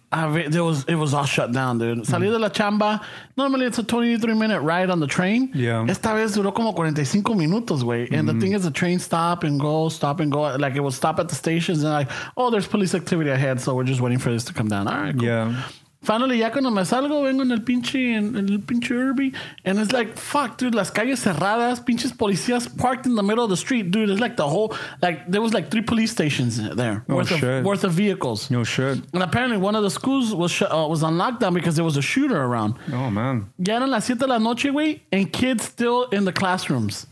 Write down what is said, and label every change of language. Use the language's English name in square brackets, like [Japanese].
[English] It was all shut down, dude. Salí de la chamba. Normally, it's a 23-minute ride on the train. Yeah. [Spanish] Esta vez duró como 45 minutos, güey. [English] And the thing is, the train stop and go. Like, it would stop at the stations and like, oh, there's police activity ahead, so we're just waiting for this to come down. All right, cool. Yeah. [Spanish] Finally, ya cuando me salgo, vengo en el pinche Irby. [English] And it's like, fuck, dude, las calles cerradas, pinches policías parked in the middle of the street. Dude, it's like the whole, like, there was like 3 police stations there. Worth of vehicles. No shit. And apparently, one of the schools was on lockdown because there was a shooter around. Oh, man. [Spanish] Ya eran las 7 de la noche, güey, and kids still in the classrooms.